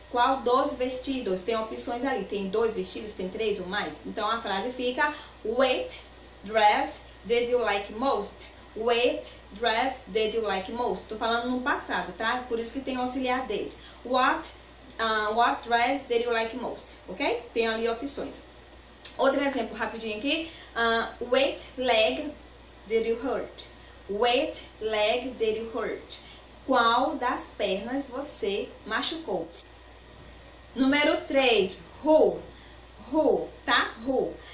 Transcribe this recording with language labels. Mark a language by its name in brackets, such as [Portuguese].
[Portuguese] Qual dos vestidos? Tem opções ali, tem dois vestidos, tem três ou mais. Então a frase fica: [English] what dress did you like most? What dress did you like most? [Portuguese] Tô falando no passado, tá? Por isso que tem o auxiliar did. [English] What dress did you like most? [Portuguese] Ok? Tem ali opções. Outro exemplo rapidinho aqui. [English] What leg did you hurt? What leg did you hurt? [Portuguese] Qual das pernas você machucou? Número 3. Who? Tá? Who?